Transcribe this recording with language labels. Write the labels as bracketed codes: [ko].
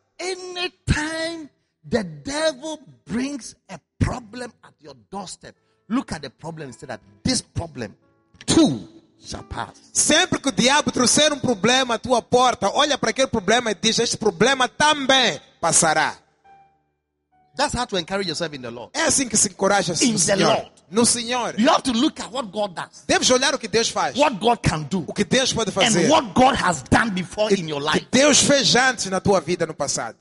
[en] Anytime the devil brings a problem at your doorstep, look at the problem and say that this problem too shall pass. [pt] Sempre que o diabo trouxer problema à tua porta, olha para aquele problema e diz, este problema também passará. [en] That's how to encourage yourself in the Lord. [pt] É assim que se encoraja [en] in the [pt] Senhor. [en] Lord. [pt] No Senhor. [en] You have to look at what God does. [pt] Deves olhar o que Deus faz. [en] What God can do. [pt] O que Deus pode fazer. [en] And what God has done before in your life. [pt] O que Deus fez antes na tua vida no passado.